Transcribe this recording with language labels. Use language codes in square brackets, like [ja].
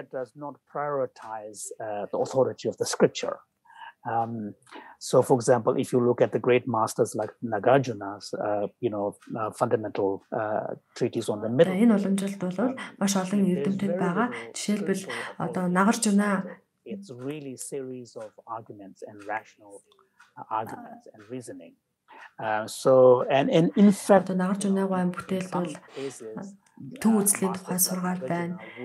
[en] The authority of the scripture. So for example, if you look at the great masters like Nagarjuna's fundamental treatise on the middle. [mn] Энэ уламжлалт бол маш олон эрдэмтэд байгаа. Жишээлбэл одоо Нагаржуна [en] it's really series of arguments and rational arguments and reasoning. And in fact, [mn] Нагаржунагийн бүтээл бол төв үзлийн тухай сургаал байна.